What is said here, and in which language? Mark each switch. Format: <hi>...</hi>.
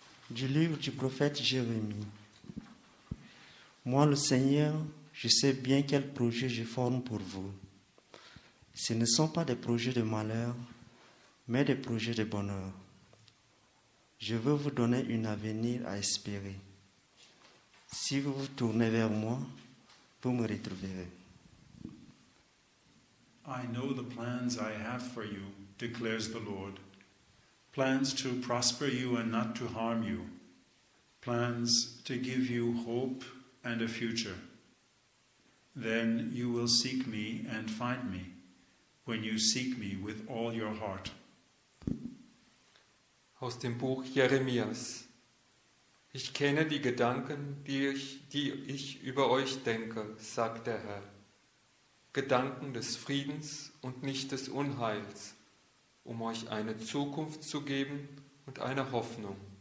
<fr>du livre du prophète Jérémie. Moi, le Seigneur, je sais bien quels projets je forme pour vous. Ce ne sont pas des projets de malheur, mais des projets de bonheur. Je veux vous donner un avenir à espérer. Si vous vous tournez vers moi, vous me retrouverez.</fr> <en>I know the plans I have for you, declares the Lord. Plans to prosper you and not to harm you. plans to give you hope and a future. Then you will seek me and find me, when you seek me with all your heart.</en> <de>Aus dem Buch Jeremias. Ich kenne die Gedanken, die ich über euch denke, sagt der Herr. Gedanken des Friedens und nicht des Unheils, um euch eine Zukunft zu geben und eine Hoffnung.</de>